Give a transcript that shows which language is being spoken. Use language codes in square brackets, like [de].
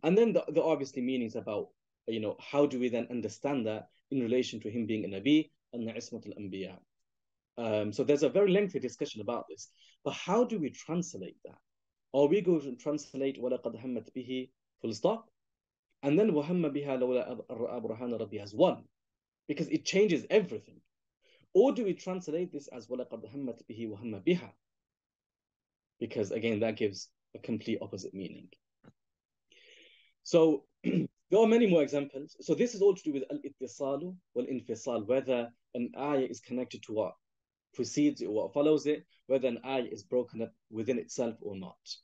[en] And then the obviously meanings about, you know, how do we then understand that in relation to him being a Nabi and the Ismat al-Anbiya. So there's a very lengthy discussion about this. But how do we translate that? Are we going to translate [ar] وَلَقَدْ هَمَّتْ بِهِ [en] full stop? And then [ar] وَهَمَّ بِهَا لَوْلَا أَرْرَأَى بُرْهَانَ رَبِّي [en] has one. Because it changes everything. Or do we translate this as [ar] وَلَقَدْ هَمَّتْ بِهِ وَهَمَّ بِهَا? [en] Because again, that gives a complete opposite meaning. So there are many more examples. So this is all to do with al-ittisalu wal-infisal, whether an ayah is connected to what precedes it or what follows it, whether an ayah is broken up within itself or not.